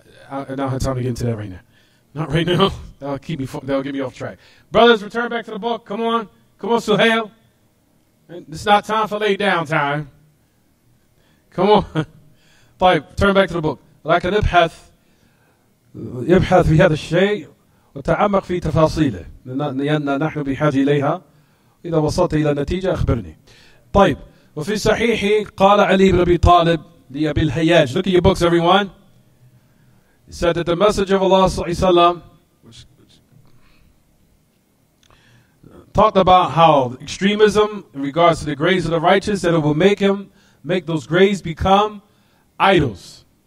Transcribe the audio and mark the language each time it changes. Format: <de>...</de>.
<en>I don't have time to get into that right now. Not right now. That'll get me off track. Brothers, return back to the book. Come on. Come on, Suhail. It's not time for lay down time. Come on. Fine, turn back to the book. Like an ibhath.</en> <ar>يبحث في هذا الشيء وتعمق في تفاصيله لأن نحن بحاجة إليها إذا وصلت إلى النتيجة أخبرني. طيب وفي صحيح قال علي بن أبي طالب لأبي الهياج.</ar> <en>Look at your books, everyone. He said that the message of Allah</en> <ar>صلى الله عليه وسلم</ar> <en>talked about how extremism in regards to the graves of the righteous that it will make those graves become idols.</en>